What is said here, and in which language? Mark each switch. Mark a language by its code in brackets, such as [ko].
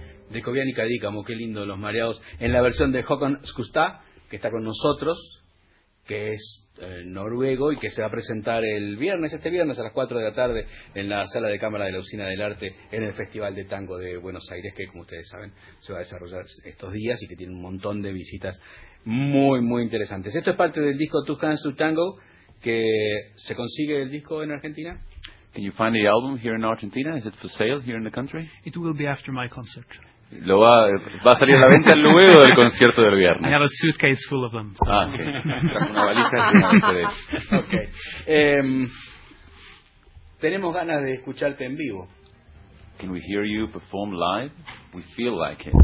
[es] de Cobian y Cadícamo, qué lindo, Los Mareados, en la versión de Håkon Skustad, que está con nosotros, que es noruego y que se va a presentar el viernes, este viernes a las 4 de la tarde, en la Sala de Cámara de la Usina del Arte, en el Festival de Tango de Buenos Aires, que como ustedes saben, se va a desarrollar estos días y que tiene un montón de visitas muy, muy interesantes. Esto es parte del disco Tus Hands to Tango, que se consigue el disco en Argentina. [en] Can you find the album here in Argentina? Is it for sale here in the country? It will be after my concert. [es] Va a salir a la venta luego del concierto del viernes. [en] I have a suitcase full of them. [es] So. Ah, ok. Trajo una valija y una de tres. Ok. Tenemos ganas de escucharte en vivo. [en] Can we hear you perform live? We feel like it.